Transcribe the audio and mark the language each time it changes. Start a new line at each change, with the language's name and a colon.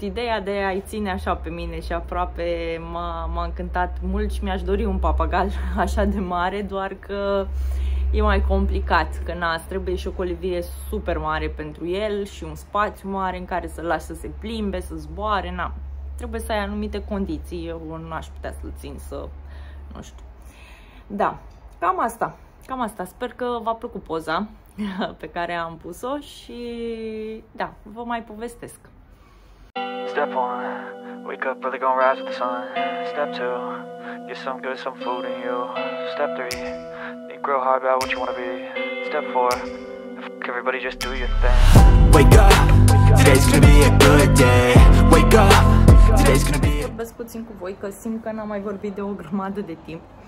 Romanian: Ideea de a-i ține așa pe mine și aproape m-a încântat mult și mi-aș dori un papagal așa de mare, doar că e mai complicat, că trebuie și o colivie super mare pentru el și un spațiu mare în care să-l lași să se plimbe, să zboare, na. Trebuie să ai anumite condiții, eu nu aș putea să-l țin să, nu știu. Da, cam asta. Sper că v-a plăcut poza pe care am pus-o și da, vă mai povestesc.
English: Step 1, wake up, really gonna rise with the sun. Step 2, get some good, some food in you. Step 3, think real hard about what you wanna be. Step 4, fuck everybody, just do your thing. Wake up, today's gonna be a good day. Wake up, today's gonna be a...
Romanian: Vorbesc puțin cu voi că simt că n-am mai vorbit de o grămadă de timp.